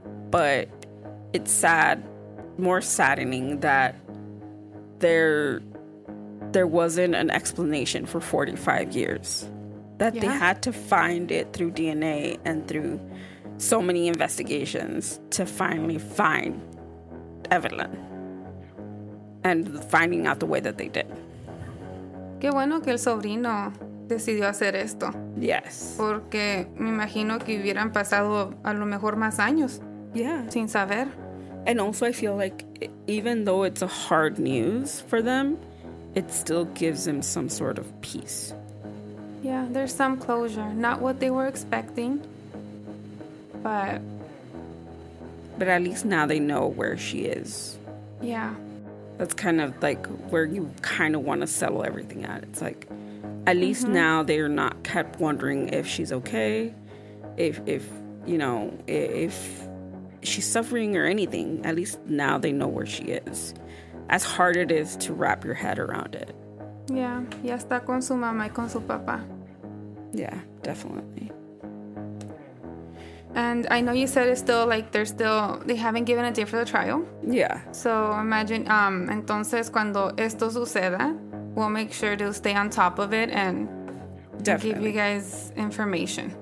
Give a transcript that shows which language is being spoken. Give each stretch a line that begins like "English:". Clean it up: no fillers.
English: But it's sad, more saddening, that there wasn't an explanation for 45 years, that they had to find it through DNA and through so many investigations to finally find Evelyn and finding out the way that they did.
Spanish: Qué bueno que el sobrino decidió hacer esto.
English: Yes.
Spanish: Porque me imagino que hubieran pasado a lo mejor más años.
English: Yeah.
Spanish: Sin saber.
English: And also I feel like even though it's a hard news for them, it still gives them some sort of peace. Yeah, there's some closure. Not what they were expecting. But at least now they know where she is. Yeah. That's kind of like where you kind of want to settle everything at. It's like, at least now they're not kept wondering if she's okay, if she's suffering or anything. At least now they know where she is. As hard it is to wrap your head around it. Yeah.
Spanish: Ya está con su mamá y con su papá.
English: Yeah, definitely. And I know you said it's still, like, they're still, they haven't given a date for the trial. Yeah. So imagine, entonces, cuando esto suceda, we'll make sure to stay on top of it and give you guys information.